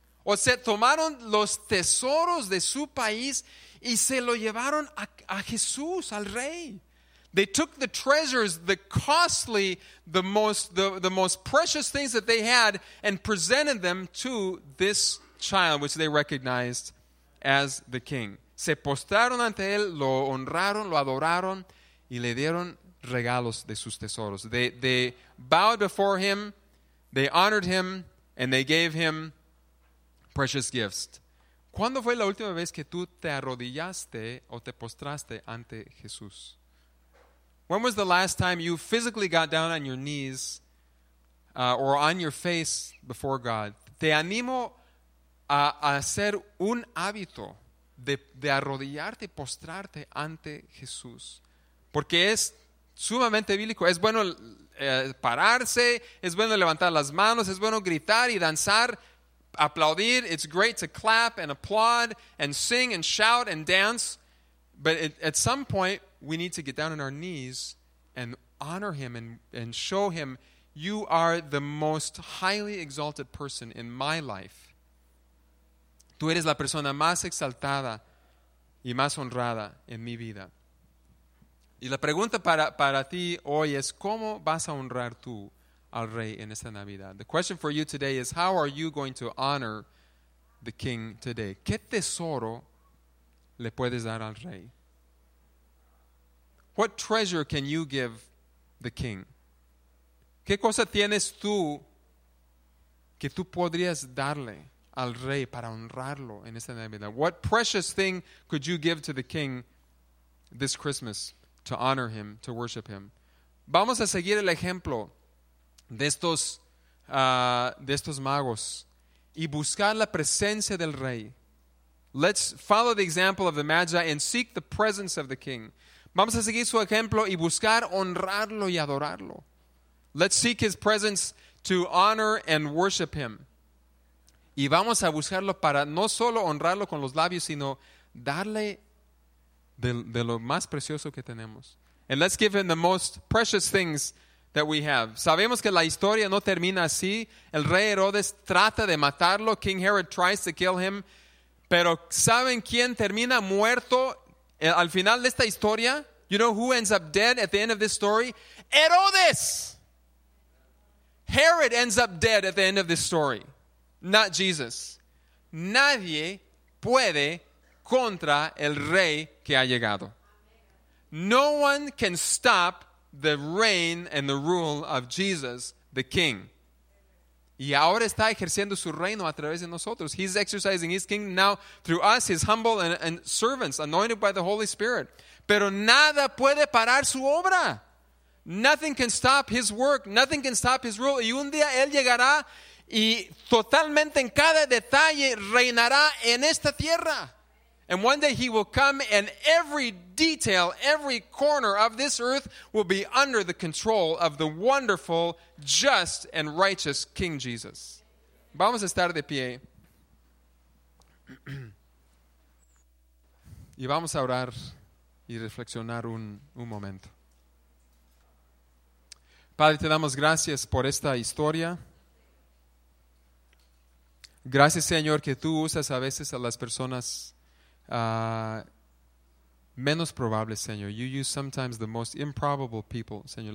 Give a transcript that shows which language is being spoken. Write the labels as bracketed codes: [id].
[es] O sea, tomaron los tesoros de su país y se lo llevaron a Jesús, al rey. [en] They took the treasures, the costly, the most precious things that they had, and presented them to this child, which they recognized as the king. [es] Se postraron ante él, lo honraron, lo adoraron, y le dieron regalos de sus tesoros. [en] They bowed before him, they honored him, and they gave him precious gifts. [es] ¿Cuándo fue la última vez que tú te arrodillaste o te postraste ante Jesús? [en] When was the last time you physically got down on your knees or on your face before God? [es] Te animo a hacer un hábito de arrodillarte, postrarte ante Jesús. Porque es sumamente bíblico. Es bueno pararse, es bueno levantar las manos, es bueno gritar y danzar, aplaudir. [en] It's great to clap and applaud and sing and shout and dance. But at some point, we need to get down on our knees and honor him and show him, you are the most highly exalted person in my life. [es] Tú eres la persona más exaltada y más honrada en mi vida. Y la pregunta para ti hoy es, ¿cómo vas a honrar tú al rey en esta Navidad? [en] The question for you today is, how are you going to honor the king today? [es] ¿Qué tesoro le puedes dar al rey? [en] What treasure can you give the king? [es] ¿Qué cosa tienes tú que tú podrías darle al rey para honrarlo en esta Navidad? [en] What precious thing could you give to the king this Christmas to honor him, to worship him? [es] Vamos a seguir el ejemplo de estos magos y buscar la presencia del rey. [en] Let's follow the example of the Magi and seek the presence of the king. [es] Vamos a seguir su ejemplo y buscar honrarlo y adorarlo. [en] Let's seek his presence to honor and worship him. [es] Y vamos a buscarlo para no solo honrarlo con los labios, sino darle de lo más precioso que tenemos. [en] And let's give him the most precious things that we have. [es] Sabemos que la historia no termina así. El rey Herodes trata de matarlo. [en] King Herod tries to kill him. [es] Pero ¿saben quién termina muerto al final de esta historia? [en] You know who ends up dead at the end of this story? Herodes! Herod ends up dead at the end of this story, not Jesus. [es] Nadie puede contra el rey que ha llegado. [en] No one can stop the reign and the rule of Jesus, the king. [es] Y ahora está ejerciendo su reino a través de nosotros. [en] He's exercising his kingdom now through us, his humble and servants, anointed by the Holy Spirit. [es] Pero nada puede parar su obra. [en] Nothing can stop his work. Nothing can stop his rule. [es] Y un día él llegará y totalmente en cada detalle reinará en esta tierra. [en] And one day he will come and every detail, every corner of this earth will be under the control of the wonderful, just, and righteous King Jesus. [es] Vamos a estar de pie. Y vamos a orar y reflexionar un momento. Padre, te damos gracias por esta historia. Gracias, Señor, que tú usas a veces a las personas menos probables, Señor. [en] You use sometimes the most improbable people, Señor.